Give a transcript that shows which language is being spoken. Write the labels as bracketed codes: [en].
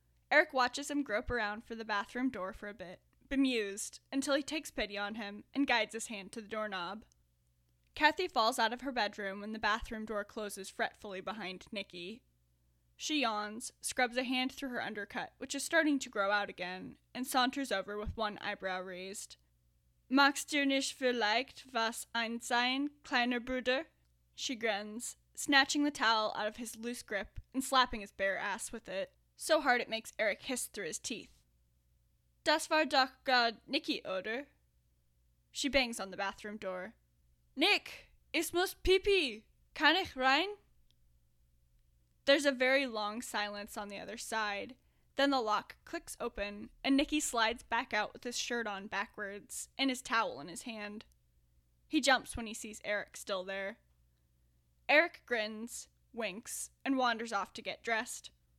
[en] Eric watches him grope around for the bathroom door for a bit, bemused, until he takes pity on him and guides his hand to the doorknob. Kathy falls out of her bedroom when the bathroom door closes fretfully behind Nikki. She yawns, scrubs a hand through her undercut, which is starting to grow out again, and saunters over with one eyebrow raised. [de] Magst du nicht vielleicht was einsein, kleiner Bruder? [en] She grins, snatching the towel out of his loose grip and slapping his bare ass with it, so hard it makes Eric hiss through his teeth. [de] Das war doch grad Nikki, oder? [en] She bangs on the bathroom door. [de] Nick, ich muss pipi, kann ich rein? [en] There's a very long silence on the other side. Then the lock clicks open, and Nikki slides back out with his shirt on backwards and his towel in his hand. He jumps when he sees Eric still there. Eric grins, winks, and wanders off to get dressed.